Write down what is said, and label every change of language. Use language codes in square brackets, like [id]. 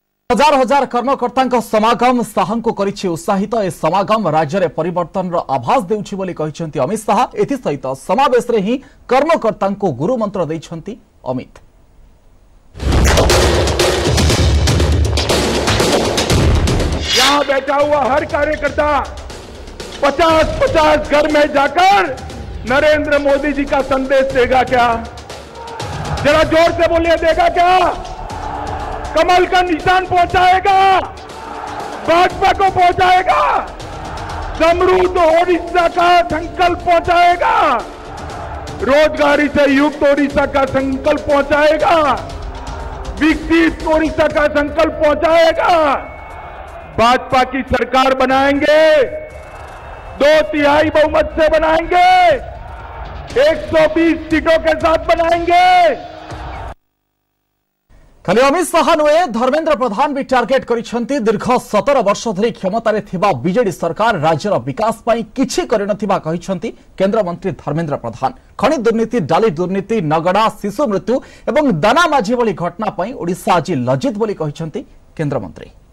[or] ହଜାର ହଜାର କର୍ମକର୍ତ୍ତାଙ୍କ ସମାଗମ ଶାହାଙ୍କୁ କରିଛି ଉତ୍ସାହିତ ଏ ସମାଗମ ରାଜ୍ୟରେ ପରିବର୍ତ୍ତନର ଆଭାସ ଦେଉଛି ବୋଲି କହିଛନ୍ତି ଅମିତ ଶାହା ଏଥିସହିତ ସମାବେଶରେ ହିଁ କର୍ମକର୍ତ୍ତାଙ୍କୁ ଗୁରୁମନ୍ତ୍ର ଦେଇଛନ୍ତି ଅମିତ [hi] वहां बैठा हुआ हर कार्यकर्ता 50-50 घर में जाकर नरेंद्र मोदी जी का संदेश देगा क्या? जरा जोर से बोलिए, देगा क्या? कमल का निशान पहुंचाएगा, भाजपा को पहुंचाएगा, समृद्ध तो ओडिशा का संकल्प पहुंचाएगा, रोजगारी से युक्त ओडिशा का संकल्प पहुंचाएगा, विकसित ओडिशा का संकल्प पहुंचाएगा। भाजपा की सरकार बनाएंगे, 2/3 बहुमत से बनाएंगे, 120 सीटों के साथ बनाएंगे। [or] ଖାଲି ଅମିତ ଶାହ ନୁହେଁ, ଧର୍ମେନ୍ଦ୍ର ପ୍ରଧାନ ବି ଟାର୍ଗେଟ୍ କରିଛନ୍ତି। ଦୀର୍ଘ 17 ବର୍ଷ ଧରି କ୍ଷମତାରେ ଥିବା ବିଜେଡି ସରକାର ରାଜ୍ୟର ବିକାଶ ପାଇଁ କିଛି କରିନଥିବା କହିଛନ୍ତି କେନ୍ଦ୍ରମନ୍ତ୍ରୀ ଧର୍ମେନ୍ଦ୍ର ପ୍ରଧାନ। ଖଣି ଦୁର୍ନୀତି, ଡାଲି ଦୁର୍ନୀତି, ନଗଡ଼ା, ଶିଶୁ ମୃତ୍ୟୁ ଏବଂ ଦାନା ମାଝି ଭଳି ଘଟଣା ପାଇଁ ଓଡ଼ିଶା ଆଜି ଲଜ୍ଜିତ ବୋଲି କହିଛନ୍ତି କେନ୍ଦ୍ରମନ୍ତ୍ରୀ।